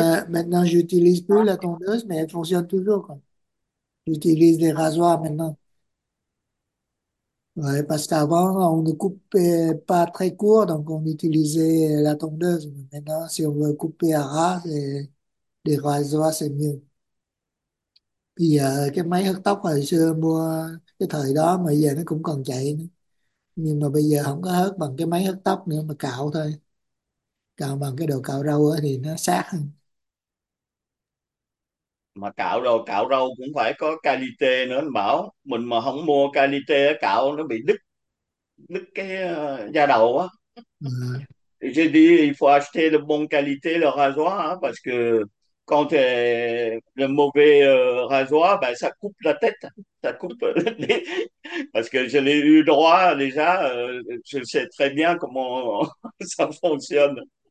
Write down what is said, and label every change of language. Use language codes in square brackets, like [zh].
[fr] maintenant j'utilise plus la tondeuse, mais elle fonctionne toujours, quoi. J'utilise des rasoirs maintenant. Ouais, parce qu'avant, on ne coupait pas très court, donc on utilisait la tondeuse. Maintenant, si on veut couper à ras, des rasoirs, c'est mieux. [vi] Puis cái máy hớt tóc hồi xưa mua cái thời đó mà giờ nó cũng còn chạy nữa. Nhưng mà bây giờ không có hớt bằng cái máy hớt tóc nữa mà cạo thôi. Cạo bằng cái đồ cạo râu ấy, thì nó sát hơn. Mà cạo râu cũng phải có calite nữa, anh bảo mình mà không mua calite cạo nó bị đứt đứt cái da đầu á. [fr] J'ai dit il faut acheter le bon calité le rasoir hein, parce que quand c'est le mauvais rasoir ben ça coupe la tête, ça coupe parce que je l'ai eu droit déjà, je sais très bien comment ça fonctionne.